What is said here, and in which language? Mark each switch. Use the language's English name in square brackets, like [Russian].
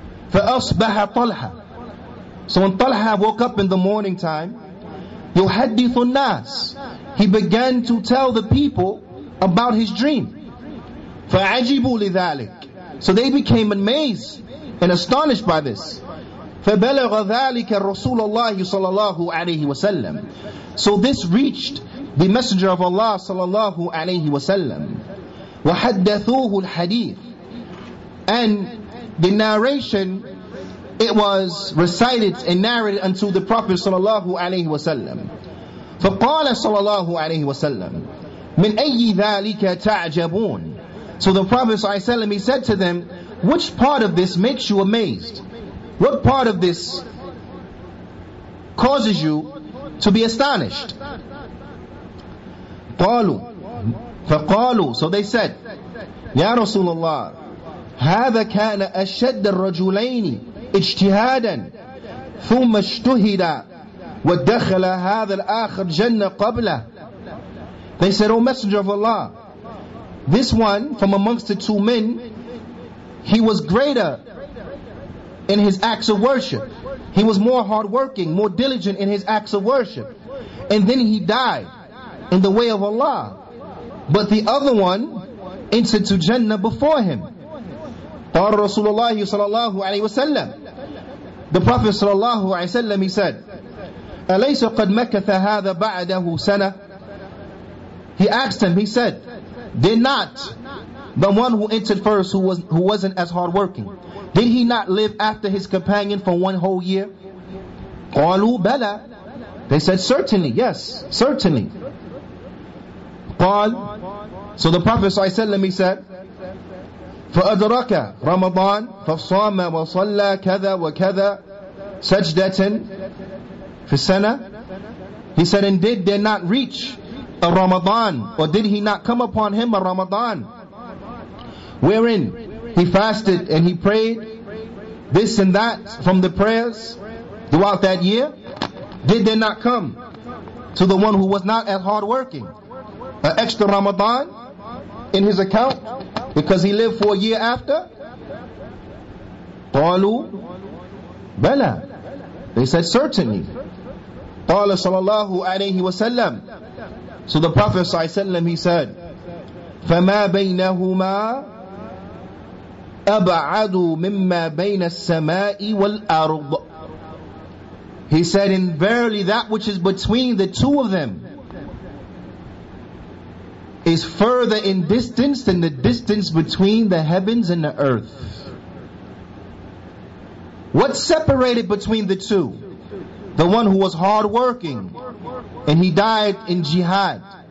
[Arabic] فأصبح طلحة. [English] So when Talha woke up in the morning time, [Arabic] يحدث الناس, [English] he began to tell the people about his dream. [Arabic] فعجبوا لذلك. [English] So they became amazed and astonished by this. [Arabic] فبلغ ذلك الرسول الله صلى الله عليه وسلم. [English] So this reached the Messenger of Allah صلى الله عليه وسلم. [Arabic] وحدثوه الحديث. [English] And the narration, it was recited and narrated unto the Prophet صلى الله عليه وسلم. [Arabic] فقال صلى الله عليه وسلم من أي ذلك تعجبون. [English] So the Prophet صلى الله عليه وسلم, he said to them, which part of this makes you amazed? What part of this causes you to be astonished? [Arabic] قالوا فقالوا. [English] So they said, [Arabic] يا رسول الله هذا كان أشد الرجلين اجتهادا ثم اجتهد ودخل هذا الآخر جنة قبله. [English] They said, O Messenger of Allah, this one from amongst the two men, he was greater in his acts of worship. He was more hardworking, more diligent in his acts of worship. And then he died in the way of Allah. But the other one entered to Jannah before him. [Arabic] قال رسول الله صلى الله عليه وسلم. [English] The Prophet [Arabic] صلى الله عليه وسلم, [English] he said, [Arabic] أليس قد مكث هذا بعده سنة. [English] He asked him, he said, did not the one who entered first, who wasn't as hard working, did he not live after his companion for one whole year? [Arabic] قالوا بلى. [English] They said, certainly, yes, certainly. [Arabic] قال. [English] So the Prophet [Arabic] صلى الله عليه وسلم, [English] he said, [Arabic] فأدرك رمضان فصام وصلى كذا وكذا سجدة في السنة. [English] He said, and did they not reach a Ramadan, or did he not come upon him a Ramadan wherein he fasted and he prayed this and that from the prayers throughout that year? Did they not come to the one who was not as hard working an extra Ramadan in his account because he lived for a year after? [Arabic] قالوا بلى. [English] They said, certainly. [Arabic] قال صلى الله عليه وسلم. [English] So the Prophet [Arabic] صلى الله عليه وسلم, [English] he said, [Arabic] فما بينهما أبعد مما بين السماء والأرض. [English] He said, and verily that which is between the two of them is further in distance than the distance between the heavens and the earth. What separated between the two? The one who was hardworking and he died in jihad.